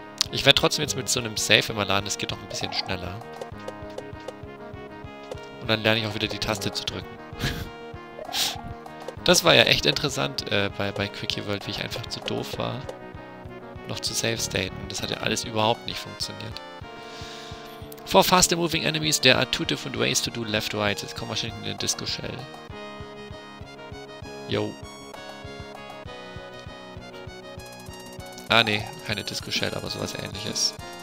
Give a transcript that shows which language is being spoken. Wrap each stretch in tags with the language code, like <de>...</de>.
<de>Ich werde trotzdem jetzt mit so einem Safe immer laden, das geht doch ein bisschen schneller. Und dann lerne ich auch wieder die Taste zu drücken. Das war ja echt interessant bei Quickie World, wie ich einfach zu doof war, noch zu Safe staten. Das hat ja alles überhaupt nicht funktioniert.</de> <en>For faster moving enemies, there are two different ways to do left-right.</en> <de>Jetzt kommen wir wahrscheinlich in den Disco-Shell. Yo. Ah, ne. Keine Disco-Shell, aber sowas ähnliches.</de>